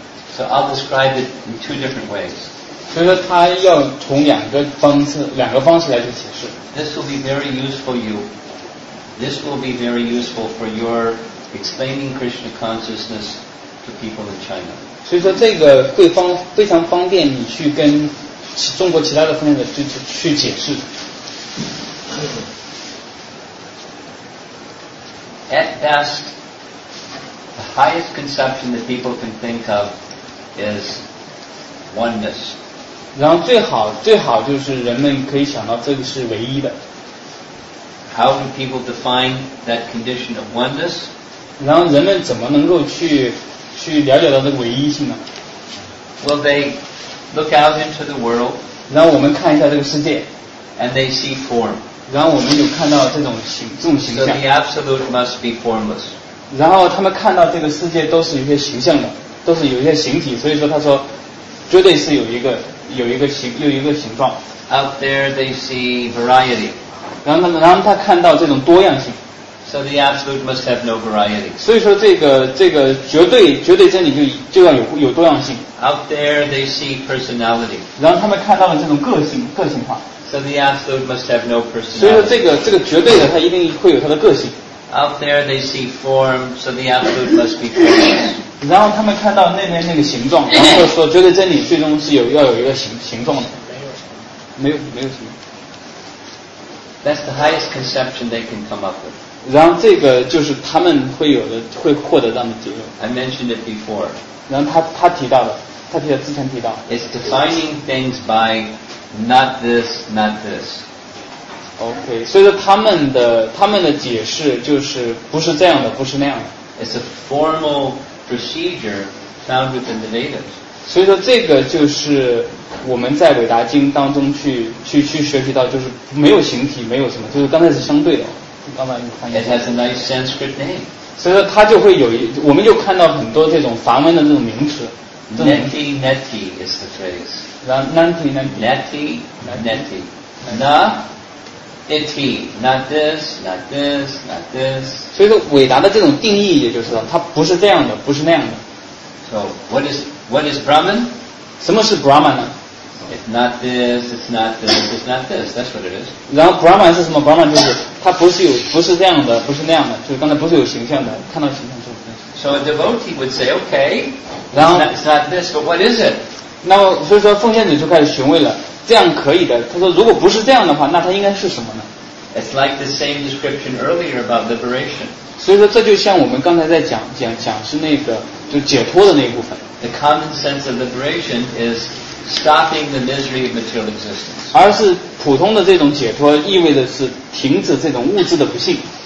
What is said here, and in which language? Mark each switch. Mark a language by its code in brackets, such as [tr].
[en] So I'll describe it in two different ways. [zh] 所以说他要从两个方式来去解释。 [en] This will be very useful you. This will be very useful for your explaining Krishna consciousness to people in China. [zh] 所以说这个会非常方便你去跟中国其他的分裂的去解释。 [en] At best, the highest conception that people can think of is oneness. [zh] 然后最好就是人们可以想到这个是唯一的。 [en] How do people define that condition of oneness? [zh] 然后人们怎么能够去了解到这个唯一性呢？ [en] Well, they look out into the world. [zh] 然后我们看一下这个世界。 [en] And they see form. [zh] 然后我们有看到这种形象。 [en] So the absolute must be formless. [zh] 然后他们看到这个世界都是有些形象的，都是有些形体，所以说他说，绝对是有一个形状。 [en] Out there they see variety. [zh] 然后他看到这种多样性。 [en] So the absolute must have no variety. [zh] 所以说这个绝对真理就要有多样性。 [en] Out there they see personality. [zh] 然后他们看到了这种个性化。 [en] So the absolute must have no personality. [zh] 所以说这个绝对的它一定会有它的个性。 [en] Out there they see form, so the absolute must be formless. [zh] 然后他们看到那个形状，然后说绝对真理最终是要有一个形状的。没有形。 [en] That's the highest conception they can come up with. [zh] 然后这个就是他们会获得到的结论。 [en] I mentioned it before. [zh] 然后他之前提到。 [en] It's defining things by. Not this, not this. [zh] Okay, 所以说他们的解释就是不是这样的，不是那样的。 [en] It's a formal procedure found within the natives. [zh] 所以说这个就是我们在伟达经当中去学习到，就是没有形体，没有什么，就是刚才是相对的。刚才你翻译。 [en] It has a nice Sanskrit name. [zh] 所以说它就会有我们就看到很多这种梵文的这种名词。 [en] Neti neti is the phrase. [sa] Neti, neti. Na, iti. [en] Not this, not this, not this. [zh] 所以说伟达的这种定义也就是它不是这样的，不是那样的。 [en] So, what is Brahman? [zh] 什么是 Brahman 呢？ [en] It's not this, it's not this, it's not this. That's what it is. [zh] 然后 Brahman 是什么？ Brahman 就是它不是这样的，不是那样的，就是刚才不是有形象的，看到形象就。 [en] So a devotee would say, okay, it's not this, but what is it? [zh] 那么所以说奉献者就开始询问了，这样可以的，他说如果不是这样的话，那他应该是什么呢？ [en] It's like the same description earlier about liberation. [zh] 所以说这就像我们刚才在讲是那个就解脱的那一部分。 [en] The common sense of liberation is stopping the misery of material existence. [zh] 而是普通的这种解脱意味着是停止这种物质的不幸。